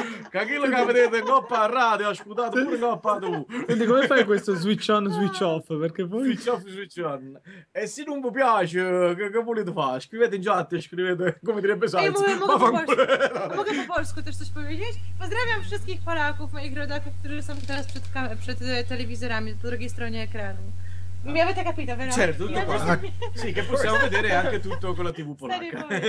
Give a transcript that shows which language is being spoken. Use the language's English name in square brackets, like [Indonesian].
[Italian] Cachillo che vedete, Coppa Radio, ha sputato pure Coppa tu. Quindi come fai questo [English] switch on, switch off? [Italian] Perché poi... [English] Switch off, switch on. [Italian] E se non vi piace, che volete fare? Scrivete in chat, scrivete come direbbe Sainz. [Polish] Mogę po polsku też coś powiedzieć. Pozdrawiam wszystkich Polaków, moich rodaków, którzy są teraz przed telewizorami po drugiej stronie ekranu. [Italian] Mi avete capito, vero? Certo, tutto qua. Sì, che possiamo vedere anche tutto con la TV polacca.